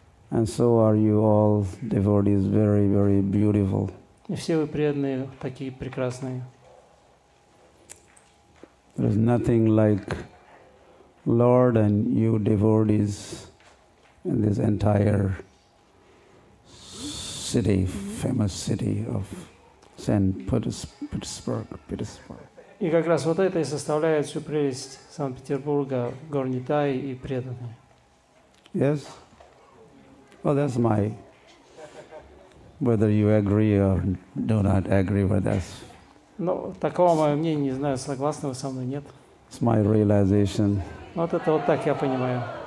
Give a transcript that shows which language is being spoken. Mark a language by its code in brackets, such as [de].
[en] And so are you all devotees, very, very beautiful. [ru] И все вы преданные такие прекрасные. [en] There is nothing like Lord and you devotees in this entire city, famous city of Saint-Petersburg. [ru] И как раз вот это и составляет всю прелесть Санкт-Петербурга, гор Нитай и преданные. [en] Yes? Well, that's my... Whether you agree or do not agree with us. [ru] Ну, такого моего мнения, не знаю, согласны вы со мной, нет. [en] It's my realization. [ru] Вот это вот так я понимаю.